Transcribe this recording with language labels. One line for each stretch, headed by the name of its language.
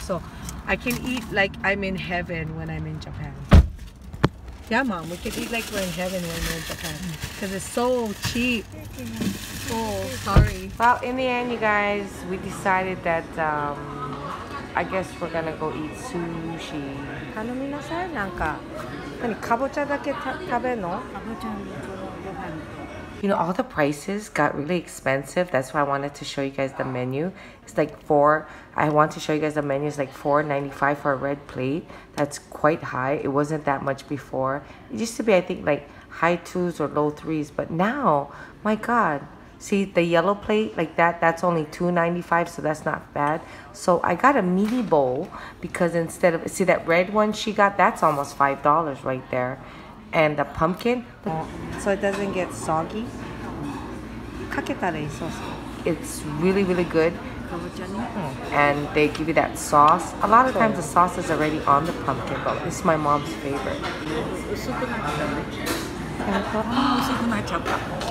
English: So I can eat like I'm in heaven when I'm in Japan. Yeah, mom, we can eat like we're in heaven when we're in Japan. Because it's so cheap. Oh, sorry. Well, in the end, you guys, we decided that, I guess we're going to go eat sushi.
Japanese: 頼みなさい、なんか。何、かぼちゃだけ食べるの? かぼちゃのご飯。
English: You know, all the prices got really expensive. That's why I wanted to show you guys the menu. It's like $4.95 for a red plate. That's quite high. It wasn't that much before. It used to be, I think, like high twos or low threes. But now, my God, see the yellow plate like that? That's only $2.95, so that's not bad. So I got a meaty bowl because instead of, see that red one she got? That's almost $5 right there. And the pumpkin, so it doesn't get soggy.
Japanese: かけたらいい、そうそう。
English: It's really, really good. And they give you that sauce. A lot of times the sauce is already on the pumpkin, but it's my mom's favorite.
Japanese: 薄くなっちゃった。薄くなっちゃった。